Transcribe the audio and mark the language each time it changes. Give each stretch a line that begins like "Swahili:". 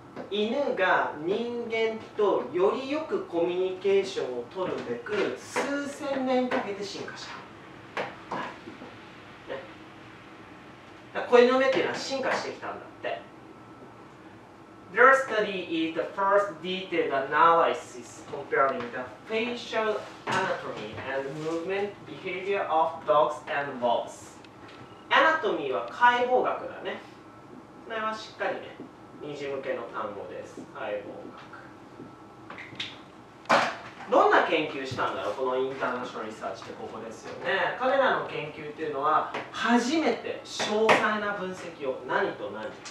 Japanese: 犬が人間とよりよくコミュニケーションを取るべく数千年かけて進化した。はい、ね。子犬の目っていうのは進化してきたんだって。
English: Their study is the first detailed analysis comparing the facial anatomy and movement behavior of dogs and wolves.
Japanese: アナトミーは解剖学だね。これはしっかりね、二次向けの単語です。解剖学。どんな研究したんだろう、このインターナショナルリサーチってここですよね。彼らの研究っていうのは、初めて詳細な分析を、何と何。